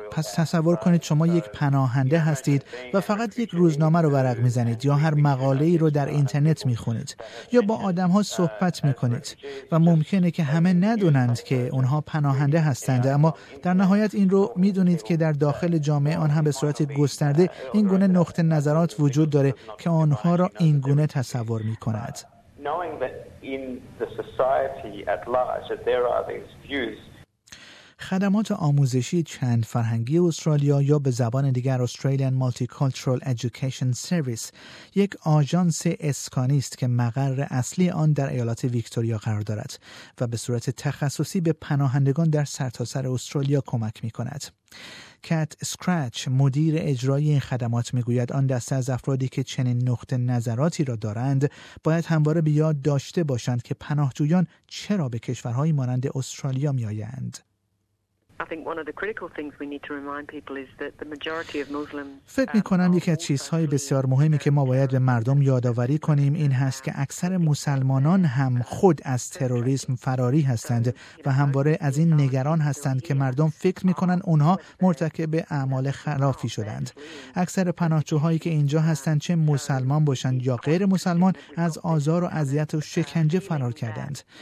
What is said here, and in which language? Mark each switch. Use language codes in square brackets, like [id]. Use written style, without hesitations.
[fa] پس تصور کنید شما یک پناهنده هستید و فقط یک روزنامه رو ورق میزنید یا هر مقاله‌ای رو در اینترنت میخونید یا با آدم‌ها صحبت میکنید و ممکنه که همه ندونند که اونها پناهنده هستند، اما در نهایت این رو میدونید که در داخل جامعه آن هم به صورت گسترده این گونه نقطه نظرات وجود داره که آنها را این گونه تصور میکند. [en] Knowing that in the society at large that there are these views. [fa] خدمات آموزشی چند فرهنگی استرالیا یا به زبان دیگر Australian Multicultural Education Service یک آژانس اسکانی است که مقر اصلی آن در ایالات ویکتوریا قرار دارد و به صورت تخصصی به پناهندگان در سرتاسر استرالیا کمک می‌کند. کات اسکرچ مدیر اجرایی این خدمات می‌گوید آن دسته از افرادی که چنین نقطه نظراتی را دارند باید همواره به یاد داشته باشند که پناهجویان چرا به کشورهایی مانند استرالیا می‌آیند. [en] I think one of the critical things we need to remind people is that the majority of Muslims. [fa] فکر می‌کنم یکی از چیزهای بسیار مهمی که ما باید به مردم یادآوری کنیم این هست که اکثر مسلمانان هم خود از تروریسم فراری هستند و همواره از این نگران هستند که مردم فکر می‌کنند اونها مرتکب اعمال خلافی شدند. اکثر پناهجوهایی که اینجا هستند چه مسلمان باشند یا غیر مسلمان از آزار و اذیت و شکنجه فرار کردند.